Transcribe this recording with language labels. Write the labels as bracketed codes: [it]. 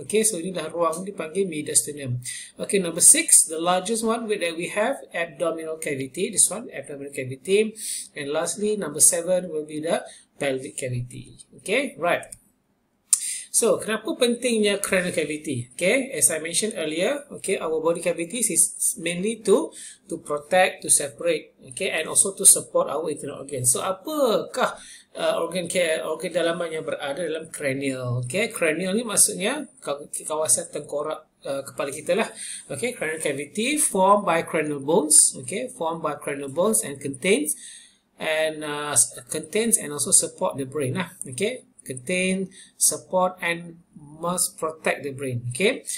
[en] Okay, so [ms] ini dah ruang dipanggil [en] mediastinum. Okay, number six, the largest one with that we have abdominal cavity, this one abdominal cavity, and lastly number seven will be the pelvic cavity. Okay, right. So, [ms] kenapa pentingnya [en] cranial cavity? Okay, as I mentioned earlier, okay, our body cavities is mainly to protect, to separate, okay, and also to support our internal organs. [ms] So, apakah organ dalaman yang berada dalam cranial? Okay, cranial ni maksudnya kawasan tengkorak kepala kita lah. [en] Okay, cranial cavity formed by cranial bones, okay, formed by cranial bones and contains and also support the brain lah, okay. Contain, support and must protect the brain, okay?